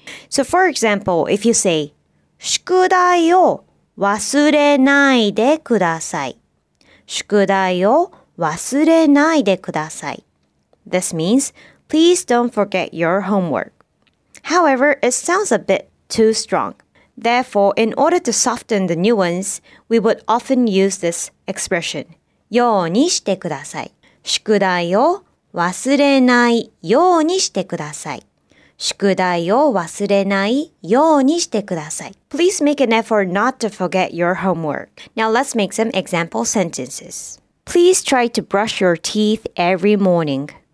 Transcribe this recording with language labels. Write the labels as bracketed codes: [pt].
[en] So for example, if you say [ja] しゅくだいを忘れないでください、しゅくだいを忘れないでください。 [en] This means, please don't forget your homework. However, it sounds a bit too strong. Therefore, in order to soften the nuance, we would often use this expression. [ja] ようにしてください。宿題を忘れないようにしてください。宿題を忘れないようにしてください。 [en] Please make an effort not to forget your homework. Now let's make some example sentences. Please try to brush your teeth every morning.